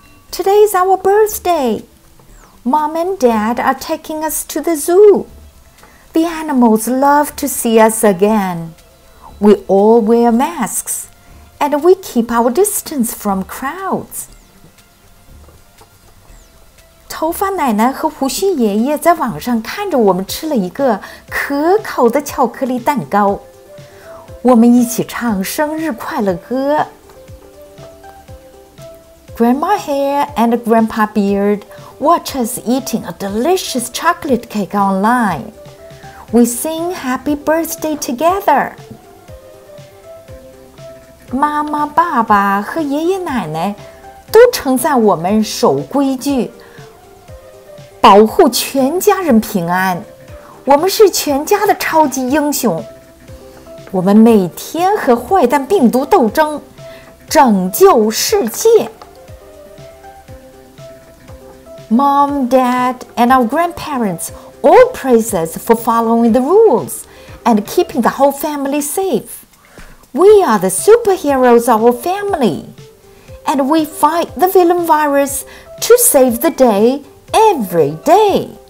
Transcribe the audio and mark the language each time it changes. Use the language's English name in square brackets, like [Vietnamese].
[English] Today is our birthday. Mom and Dad are taking us to the zoo. The animals love to see us again. We all wear masks, and we keep our distance from crowds. [Chinese] 头发奶奶和胡须爷爷在网上看着我们吃了一个可口的巧克力蛋糕。我们一起唱生日快乐歌。 [English] Grandma Hair and Grandpa Beard watch us eating a delicious chocolate cake online. We sing happy birthday together. [Chinese] 妈妈、爸爸和爷爷奶奶都称赞我们守规矩，保护全家人平安。我们是全家的超级英雄。我们每天和坏蛋病毒斗争，拯救世界。 [English] Mom, Dad, and our grandparents all praise us for following the rules and keeping the whole family safe. We are the superheroes of our family, and we fight the villain virus to save the day every day.